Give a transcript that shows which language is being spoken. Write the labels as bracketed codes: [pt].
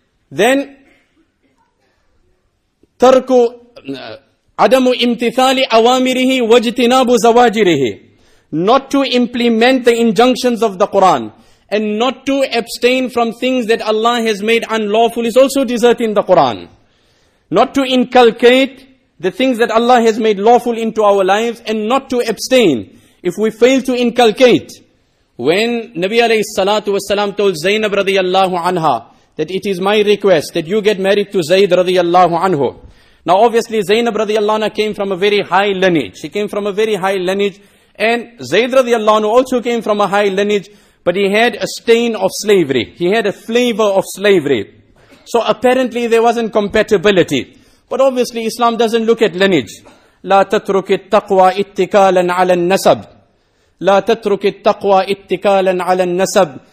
[en] Then, [ar] تَرْكُ عَدَمُ إِمْتِثَالِ أَوَامِرِهِ وَاجْتِنَابُ زَوَاجِرِهِ. [en] Not to implement the injunctions of the Qur'an and not to abstain from things that Allah has made unlawful is also deserting the Qur'an. Not to inculcate the things that Allah has made lawful into our lives and not to abstain. If we fail to inculcate, when Nabi alayhi salatu wasalam told Zainab radiallahu anha, that it is my request that you get married to Zayd radiallahu anhu. Now obviously Zainab radiallahu anhu came from a very high lineage. She came from a very high lineage. And Zayd radiallahu anhu also came from a high lineage. But he had a stain of slavery. He had a flavor of slavery. So apparently there wasn't compatibility. But obviously Islam doesn't look at lineage. [ar] لا تترك التقوى اتكالا على النسب. لا تترك التقوى اتكالا على النسب.